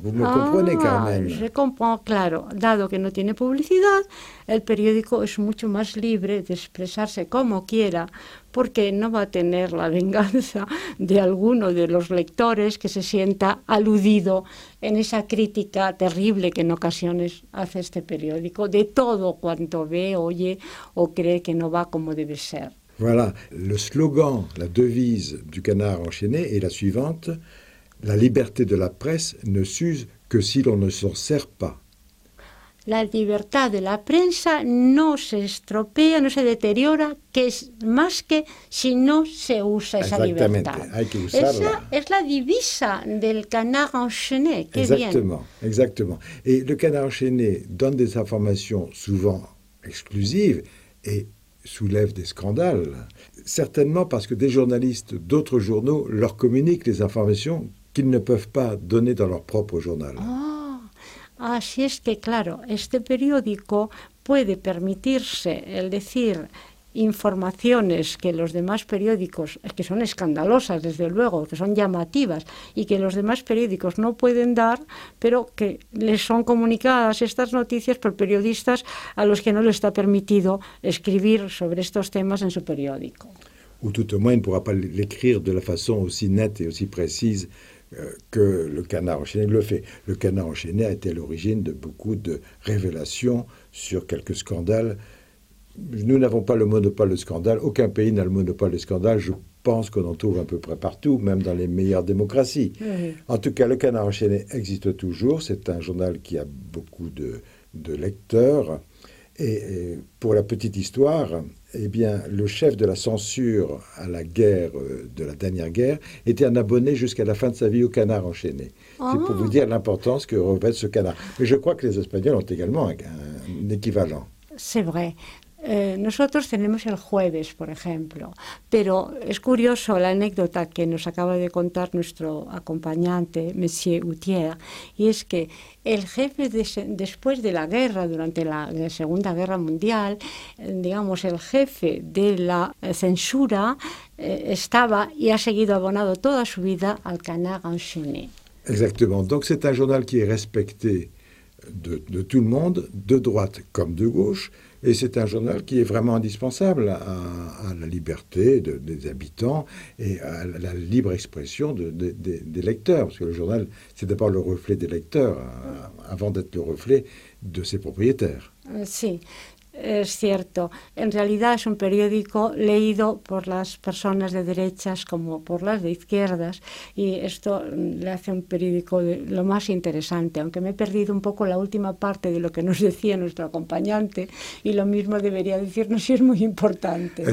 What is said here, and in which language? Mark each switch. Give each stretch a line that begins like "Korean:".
French: Vous me comprenez, Carmen? Je comprends,
Spanish: claro. Dado que no tiene publicidad, el periódico es mucho más libre de expresarse como quiera, porque no va a tener la venganza de alguno de los lectores que se sienta aludido en esa crítica terrible que en ocasiones hace este periódico de todo cuanto ve, oye o cree que no va como debe ser.
French: Voilà, le slogan, la devise du Canard enchaîné est la suivante: la liberté de la presse ne s'use que si l'on ne s'en sert pas.
Spanish: La libertad de la prensa no se estropea, no se deteriora, que es más que si no se usa esa libertad. Exactamente, hay que usarla. Esa es la divisa del Canard enchaîné, qué
French: exactement, bien. Exactement. Et le Canard enchaîné donne des informations souvent exclusives et soulève des scandales, certainement parce que des journalistes d'autres journaux leur communiquent les informations qu'ils ne peuvent pas donner dans leur propre journal.
Spanish: Así es que, claro, este periódico puede permitirse el decir informaciones que los demás periódicos, que son escandalosas, desde luego, que son llamativas, y que los demás periódicos no pueden dar, pero que les son comunicadas estas noticias por periodistas a los que no les está permitido escribir sobre estos temas en su periódico.
French: O, tout au moins, il ne pourra pas l'écrire de la façon aussi nette et aussi précise que le Canard enchaîné le fait. Le Canard enchaîné a été à l'origine de beaucoup de révélations sur quelques scandales. Nous n'avons pas le monopole de scandale, aucun pays n'a le monopole de scandale, je pense qu'on en trouve à peu près partout, même dans les meilleures démocraties. Oui. En tout cas, le Canard enchaîné existe toujours, c'est un journal qui a beaucoup de lecteurs. Et pour la petite histoire, eh bien, le chef de la censure à la guerre de la dernière guerre était un abonné jusqu'à la fin de sa vie au Canard enchaîné. C'est pour vous dire l'importance que revêt ce canard. Mais je crois que les Espagnols ont également un équivalent. C'est vrai.
Spanish: Nosotros tenemos el jueves, por ejemplo, pero es curioso la anécdota que nos acaba de contar nuestro acompañante, Monsieur Gutierre, y es que el jefe, después de la guerra, durante la Segunda Guerra Mundial, digamos, el jefe de la censura estaba y ha seguido abonado toda su vida al Canard enchaîné.
French: Exactement. Donc, c'est un journal qui est respecté de tout le monde, de droite comme de gauche. Et c'est un journal qui est vraiment indispensable à la liberté des habitants et à la libre expression des lecteurs. Parce que le journal, c'est d'abord le reflet des lecteurs, avant d'être le reflet de ses propriétaires.
Spanish: Si. Es cierto, en realidad es un periódico leído por las personas de derechas como por las de izquierdas y esto le hace un periódico lo más interesante, aunque me he perdido un poco la última parte de lo que nos decía nuestro acompañante y lo mismo debería decirnos si es muy importante.